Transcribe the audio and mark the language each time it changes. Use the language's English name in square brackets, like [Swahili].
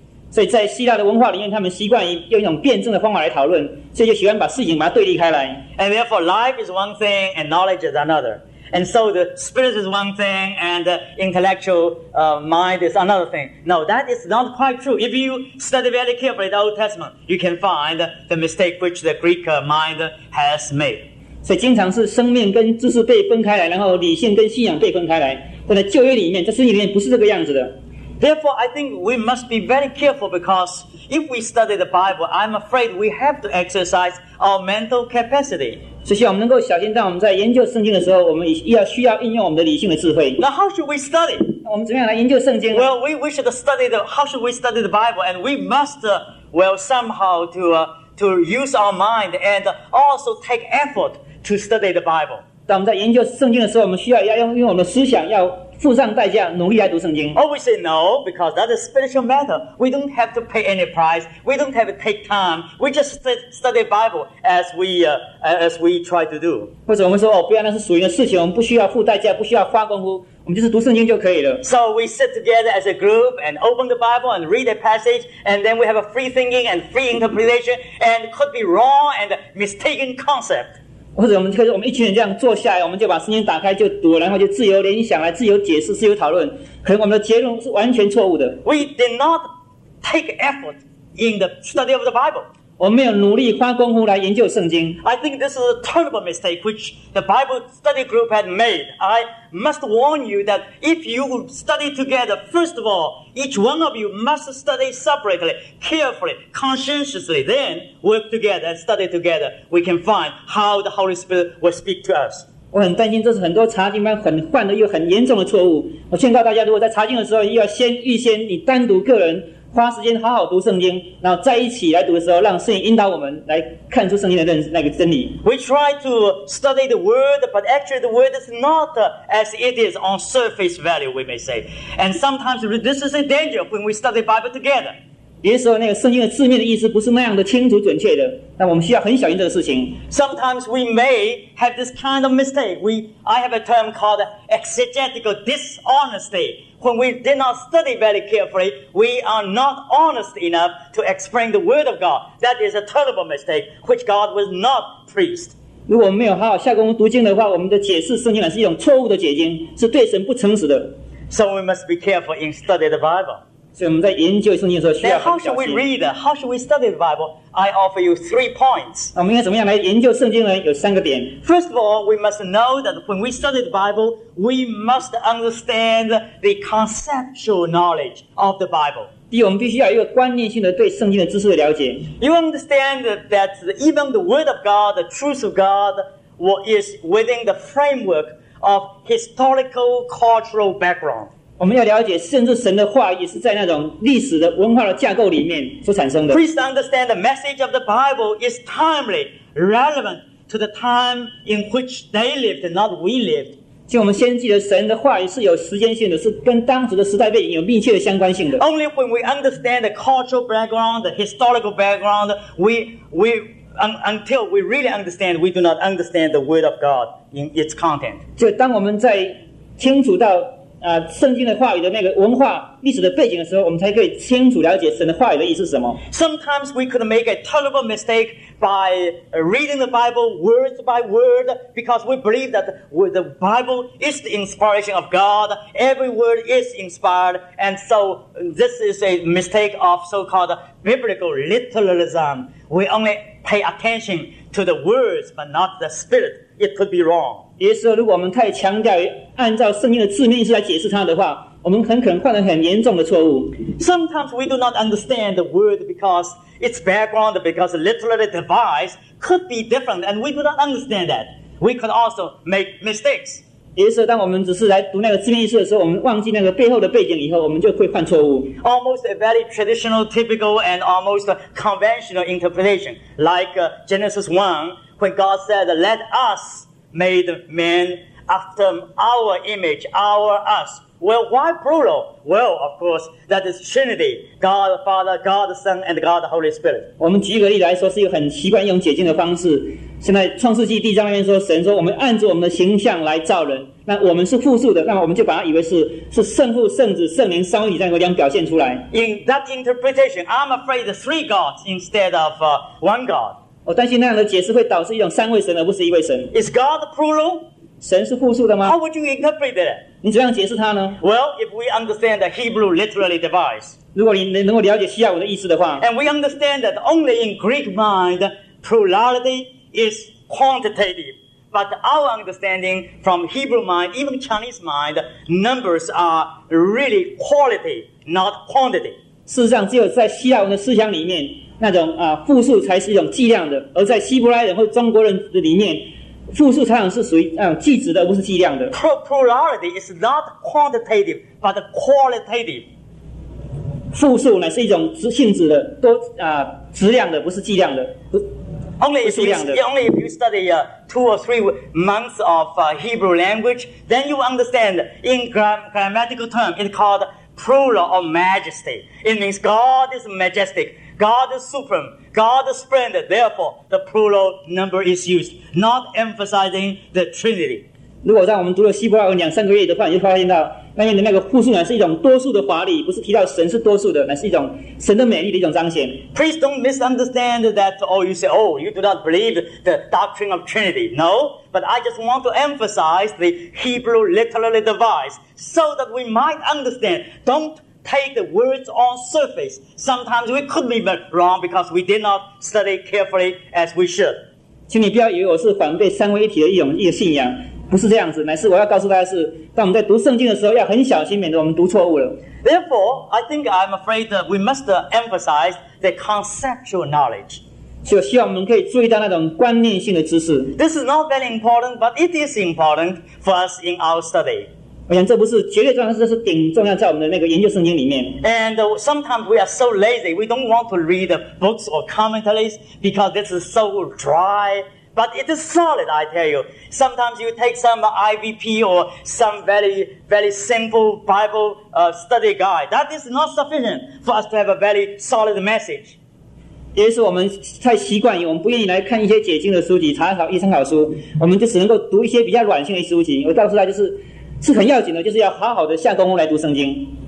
[Chinese] 所以在希腊的文化里面，他们习惯于用一种辩证的方法来讨论，所以就喜欢把事情把它对立开来。 [English] And therefore, life is one thing, and knowledge is another. And so the spirit is one thing, and the intellectual mind is another thing. No, that is not quite true. If you study very carefully the Old Testament, you can find the mistake which the Greek mind has made. [Chinese] 所以经常是生命跟知识被分开来，然后理性跟信仰被分开来。但在旧约里面，在圣经里面不是这个样子的。 [English] Therefore, I think we must be very careful because if we study the Bible, I'm afraid we have to exercise our mental capacity. [Chinese] 所以我们能够小心，当我们在研究圣经的时候，我们要需要运用我们的理性的智慧。 [English] Now, how should we study? [Chinese] 我们怎么样来研究圣经？ [English] Well, we should study the how should we study the Bible, and we must somehow to use our mind and also take effort to study the Bible. [Chinese] 当我们在研究圣经的时候，我们需要用我们的思想要。付上代价努力来读圣经。 [English] Oh, we say no, because that's a spiritual matter. We don't have to pay any price. We don't have to take time. We just study the Bible as we try to do. [Chinese] 或者我们说哦，不要，那是属于的事情，我们不需要付代价，不需要花功夫，我们就是读圣经就可以了。 [English] So we sit together as a group and open the Bible and read a passage, and then we have a free thinking and free interpretation and could be wrong and mistaken concept. [Chinese] 或者我们一群人这样坐下来，我们就把圣经打开就读，然后就自由联想来自由解释自由讨论，可能我们的结论是完全错误的。 [English] We did not take effort in the study of the Bible. [Chinese] 我们没有努力花功夫来研究圣经。 [English] I think this is a terrible mistake which the Bible study group had made. I must warn you that if you study together, first of all, each one of you must study separately, carefully, conscientiously, then work together and study together. We can find how the Holy Spirit will speak to us. [Chinese] 我很担心这是很多查经班很犯的又很严重的错误。我劝告大家，如果在查经的时候要先预先你单独个人花时间好好读圣经，然后在一起来读的时候，让圣灵引导我们来看出圣经的那个真理。 [English] We try to study the word, but actually the word is not as it is on surface value, we may say. And sometimes this is a danger when we study Bible together. [Chinese] 有些时候那个圣经的字面的意思不是那样的清楚准确的，那我们需要很小心这个事情。 [English] Sometimes we may have this kind of mistake. I have a term called exegetical dishonesty. When we did not study very carefully, we are not honest enough to explain the word of God. That is a terrible mistake, which God was not pleased. [Chinese] 如果我们没有好好下功夫读经的话，我们的解释圣经乃是一种错误的解经，是对神不诚实的。 [English] So we must be careful in studying the Bible. [Chinese] 所以我们在研究圣经的时候需要很小心。 [English] Then how should we read? How should we study the Bible? I offer you 3 points. [Chinese] 我们应该怎么样来研究圣经呢？有三个点。 [English] First of all, we must know that when we study the Bible, we must understand the conceptual knowledge of the Bible. [Chinese] 第一，我们必须要有一个观念性的对圣经的知识的了解。 [English] You understand that even the Word of God, the truth of God, is within the framework of historical cultural background. [Chinese] 我们要了解，甚至神的话语是在那种历史的文化的架构里面所产生的。 [English] Please understand the message of the Bible is timely, relevant to the time in which they lived, not we lived. [Chinese] 请我们先记得，神的话语是有时间性的，是跟当时的时代背景有密切的相关性的。 [English] Only when we understand the cultural background, the historical background, until we really understand, we do not understand the Word of God in its content. [Chinese] 就当我们在清楚到圣经的话语的那个文化历史的背景的时候，我们才可以清楚了解神的话语的意思是什么。 [English] Sometimes we could make a terrible mistake by reading the Bible word by word because we believe that the Bible is the inspiration of God. Every word is inspired, and so this is a mistake of so-called biblical literalism. We only pay attention to the words but not the spirit. It could be wrong. [Chinese] 也就是说，如果我们太强调于按照圣经的字面意思来解释它的话，我们很可能犯了很严重的错误。 [English] Sometimes we do not understand the word because its background, because literary device could be different, and we do not understand that. We could also make mistakes. [Chinese] 也就是说，当我们只是来读那个字面意思的时候，我们忘记那个背后的背景以后，我们就会犯错误。 [English] Almost a very traditional, typical, and almost conventional interpretation, like Genesis 1, when God said, "Let us." Made man after our image, our us. Well, why plural? Well, of course, that is Trinity. God, Father, God, Son, and God, Holy Spirit. [Chinese] 我们举个例来说，是一个很习惯用解经的方式。现在创世纪第一章里面说，神说我们按着我们的形象来造人。那我们是复数的，那我们就把它以为是圣父、圣子、圣灵三位一体这样表现出来。 [English] In that interpretation, I'm afraid three gods instead of one God. [Chinese] 我担心那样的解释会导致一种三位神而不是一位神。 [English] Is God plural? [Chinese] 神是复数的吗 [English] ？How would you interpret that? [Chinese] 你怎样解释它呢 [English] ？Well, if we understand the Hebrew literary device, [Chinese] 如果你能够了解希腊文的意思的话 [English] ，and we understand that only in Greek mind plurality is quantitative, but our understanding from Hebrew mind, even Chinese mind, numbers are really quality, not quantity. [Chinese] 事实上，只有在希腊文的思想里面。那种复数才是一种计量的，而在希伯来人或中国人的里面，复数常常是属于计值的，而不是计量的。 [English] Plurality is not quantitative, but qualitative. [Chinese] 复数呢是一种性质的，多质量的，不是计量的，不是量的。 [English] Only if you study two or three months of Hebrew language, then you understand in grammatical term it's called plural of majesty. It means God is majestic. God is supreme, God is splendid, therefore the plural number is used, not emphasizing the Trinity. [Chinese] 如果在我们读了希伯来文两三个月的话，你就发现到那边的那个复数乃是一种多数的华丽，不是提到神是多数的，乃是一种神的美丽的一种彰显。 [English] Please don't misunderstand that, or you say, oh, you do not believe the doctrine of Trinity. No, but I just want to emphasize the Hebrew literary device so that we might understand. Don't take the words on surface. Sometimes we could be wrong because we did not study carefully as we should. [Chinese] 请你不要以为我是反对三位一体的一个信仰，不是这样子，乃是我要告诉大家是，当我们在读圣经的时候，要很小心，免得我们读错误了。 [English] Therefore, I think I'm afraid that we must emphasize the conceptual knowledge. [Chinese] 就希望我们可以注意到那种观念性的知识。 [English] This is not very important, but it is important for us in our study. [Chinese] 我想这不是绝对重要，这是顶重要，在我们的那个研究圣经里面。 [English] And sometimes we are so lazy, we don't want to read books or commentaries because this is so dry. But it is solid, I tell you. Sometimes you take some IVP or some very, very simple Bible study guide. That is not sufficient for us to have a very solid message. [Chinese] 也是我们太习惯于我们不愿意来看一些解经的书籍，查考一参考书，我们就只能够读一些比较软性的书籍。我告诉他就是。是很要紧的，就是要好好的下功夫来读圣经。